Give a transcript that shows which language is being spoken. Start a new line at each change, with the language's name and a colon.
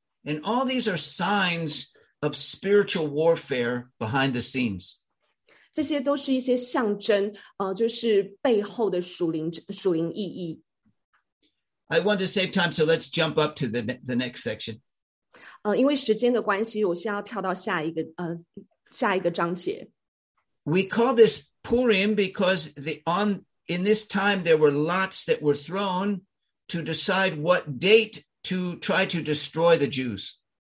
English: And all these are signs of spiritual warfare behind the scenes.
Chinese: 这些都是一些象征, 就是背后的属灵意义。
English: I want to save time, so let's jump up to the next section.
Chinese: 因为时间的关系, 我先要跳到下一个, 下一个章节。
English: We call this Purim because in this time there were lots that were thrown to decide what date to try to destroy the Jews.